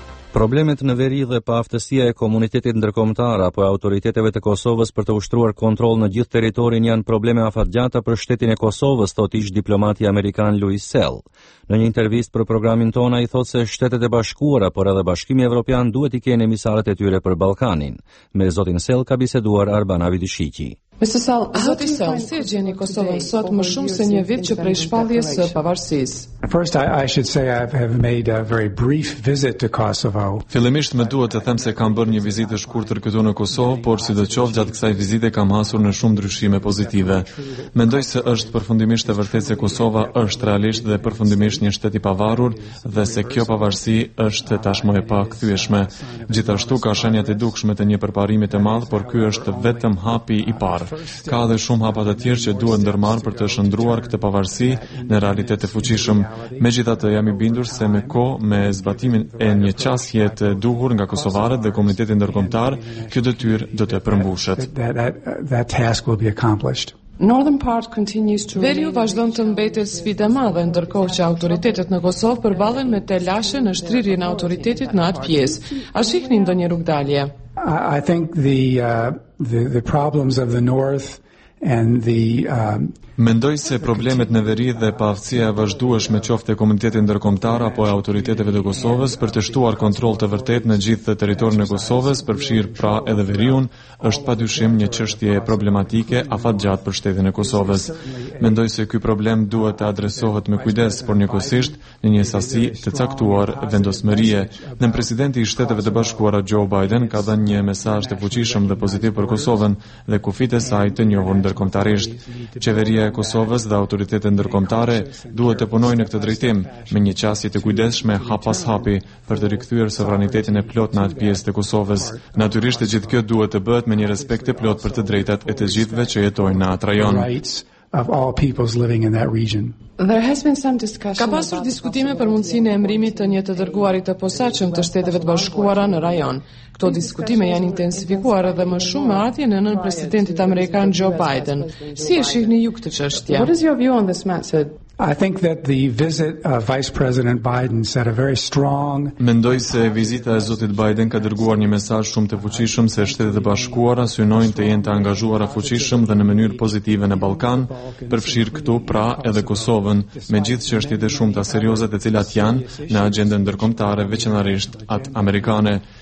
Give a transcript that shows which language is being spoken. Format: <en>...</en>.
<sq>Problemet në veri dhe paaftësia e komunitetit ndërkombëtar apo e autoriteteve të Kosovës për të ushtruar kontroll në gjithë territorin janë probleme afatgjata për shtetin e Kosovës, thotë ish diplomati amerikan Louis Sell. Në një intervistë për programin tonë ai thotë se Shtetet e Bashkuara por edhe Bashkimi Evropian duhet i kenë emisarët e tyre për Ballkanin. Me zotin Sell ka biseduar Arbana Vidishiqi.</sq> <en>Mr.</en> <sq>Sall, zoti Sall, si e gjeni Kosovën sot më shumë se një vit që prej shpalljes së pavarësisë?</sq> <en>First I should say I have made a very brief visit to Kosovo.</en> <sq>Fillimisht më duhet të them se kam bërë një vizitë shkurtër këtu në Kosovë, por sidoqoftë gjatë kësaj vizite kam hasur në shumë ndryshime pozitive. Mendoj se është përfundimisht e vërtetë se Kosova është realisht dhe përfundimisht një shtet i pavarur dhe se kjo pavarësi është tashmë e pakthyeshme. Gjithashtu ka shenjat e dukshme të një përparimi të madh, por ky është vetëm hapi i parë. Ka dhe shumë hapa të tjerë që duhet ndërmarrë për të shëndruar këtë pavarësi në realitet të fuqishëm. Megjithatë, jam i bindur se me kohë, me zbatimin e një qasje të duhur nga kosovarët dhe komunitetin ndërkombëtar, kjo detyrë do të përmbushet.</sq> <en>Northern part continues to</en> <sq>Veriu vazhdon të mbetet sfidë madhe ndërkohë që autoritetet në Kosovë përballen me telashe në shtrirjen e autoritetit në atë pjesë. A shihni ndonjë rrugdalje?</sq> <en>I think the problems of the north and the</en> <sq>Mendoj se problemet në veri dhe paaftësia e vazhdueshme qoftë e komunitetit ndërkombëtar apo e autoriteteve të Kosovës për të shtuar kontroll të vërtetë në gjithë territorin e Kosovës, përfshirë pra edhe veriun, është padyshim një çështje problematike afatgjatë për shtetin e Kosovës. Mendoj se ky problem duhet të adresohet me kujdes, por njëkohësisht në një sasi të caktuar vendosmërie. Nën presidenti i Shteteve të Bashkuara Joe Biden ka dhënë një mesazh të fuqishëm dhe pozitiv për Kosovën dhe kufit e saj të njohur ndërkombëtarisht. Qeveria e Kosovës dhe autoritetet ndërkombëtare duhet të punojnë në këtë drejtim me një qasje të kujdesshme hap pas hapi për të rikthyer sovranitetin e plot në atë pjesë të Kosovës. Natyrisht, gjithë kjo duhet të bëhet me një respekt të plot për të drejtat e të gjithëve që jetojnë në atë rajon.</sq> <en>of all peoples living in that region. There has been some discussion.</en> <sq>Ka pasur diskutime për mundësinë e emrimit të një të dërguarit të posaçëm të Shteteve të Bashkuara në rajon. Këto diskutime janë intensifikuar edhe më shumë me ardhjën e nën presidentit amerikan Joe Biden. Si e shihni ju këtë çështje?</sq> <en>What is your view on this matter? I think that the visit of Vice President Biden set a very strong.</en> <sq>Mendoj se vizita e Zotit Biden ka dërguar një mesazh shumë të fuqishëm se Shtetet e Bashkuara synojnë të jenë të angazhuara fuqishëm dhe në mënyrë pozitive në Ballkan, përfshir këtu pra edhe Kosovën, me gjithë çështjet e shumta serioze të cilat janë në agjendën ndërkombëtare, veçanërisht atë amerikane.</sq>